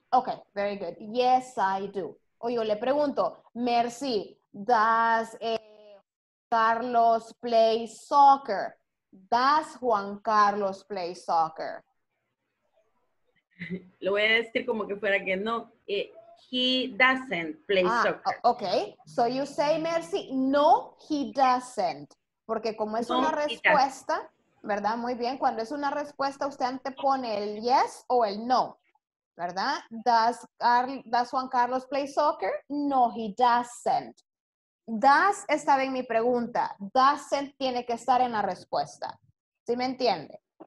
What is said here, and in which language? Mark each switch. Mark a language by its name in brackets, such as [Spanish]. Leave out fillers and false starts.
[English] Okay, very good. Yes, I do. [Spanish] O yo le pregunto, [English] Mercy, does Carlos play soccer? Does Juan Carlos play soccer? [Spanish] Lo voy a decir como que fuera que no. [English] He doesn't play soccer. Okay, so you say, Mercy, no, he doesn't. [Spanish] Porque como es no, una respuesta, ¿verdad? Muy bien, cuando es una respuesta, usted antepone el yes o el no, ¿verdad? [English] Does Juan Carlos play soccer? No, he doesn't. [Spanish] Does estaba en mi pregunta. Doesn't tiene que estar en la respuesta. ¿Sí me entiende?